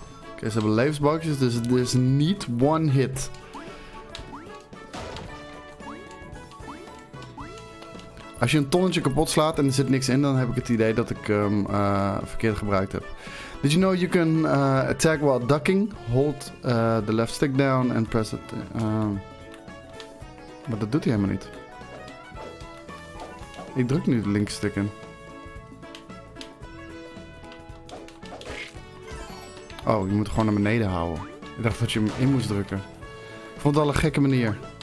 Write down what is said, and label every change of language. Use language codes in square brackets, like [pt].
[nl] Okay, ze hebben levensbalkjes, dus het is niet one hit. Als je een tonnetje kapot slaat en er zit niks in, dan heb ik het idee dat ik hem verkeerd gebruikt heb. [en] Did you know you can attack while ducking? Hold the left stick down and press it. [nl] Maar dat doet hij helemaal niet. Ik druk nu de linkstick in. Oh, je moet gewoon naar beneden houden. Ik dacht dat je hem in moest drukken. Ik vond het al een gekke manier.